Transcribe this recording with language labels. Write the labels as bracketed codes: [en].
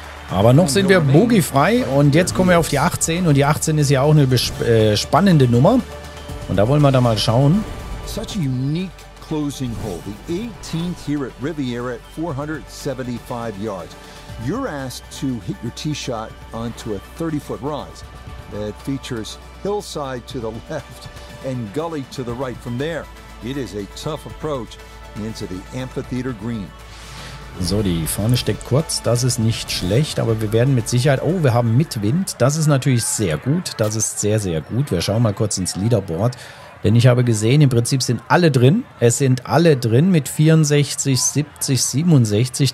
[de] Aber noch sind wir bogeyfrei und jetzt kommen wir auf die 18 und die 18 ist ja auch eine spannende Nummer. Und da wollen wir da mal schauen. [en] Such a unique closing hole, the 18th here at Riviera at 475 yards. You're asked to hit your tee shot onto a 30-foot rise. That features hillside to the left and gully to the right. From there, it is a tough approach into the amphitheater green. [de] So, die vorne steckt kurz. Das ist nicht schlecht, aber wir werden mit Sicherheit... Oh, wir haben Mitwind. Das ist natürlich sehr gut. Das ist sehr, sehr gut. Wir schauen mal kurz ins Leaderboard. Denn ich habe gesehen, im Prinzip sind alle drin. Es sind alle drin mit 64, 70, 67.